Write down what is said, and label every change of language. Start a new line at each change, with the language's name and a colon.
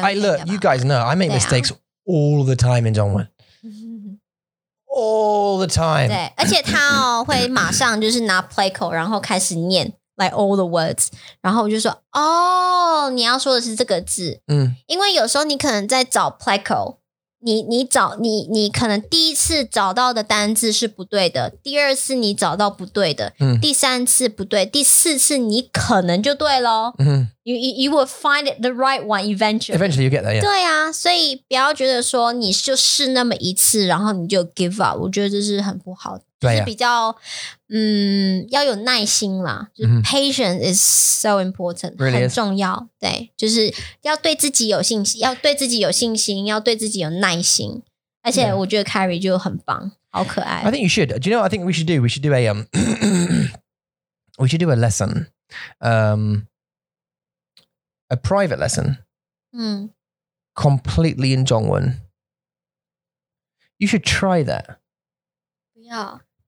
English: I look, you guys know, I make mistakes、啊、all the time in 中文。 All the time.
Chinese: 对，而且他哦会马上就是拿 play 口，然后开始念。
English: Like all the words.
Chinese: 然后我就说哦、oh, 你要说的是这个字。嗯。因为有时候你可能在找 pleco, 你可能第一次找到的单字是不对的，第二次你找到不对的、嗯、第三次不对，第四次你可能就对咯。嗯。
English: You will find it the right one eventually. Eventually you get that, yeah.
Chinese: 对啊，所以不要觉得说你就试那么一次然后你就 give up, 我觉得这是很不好的。对啊、就是比较嗯要有耐心啦、就是、
English: patience is so important、 really、
Chinese: 很重要、
English: is.
Chinese: 对就是要对自己有信心要对自己有信心要对自己有耐心而且我觉得 Carrie 就很棒好可爱
English: I think you should Do you know what I think we should do We should do a we should do a lesson a private lesson、嗯、 Completely in 中文 You should try that Yeah.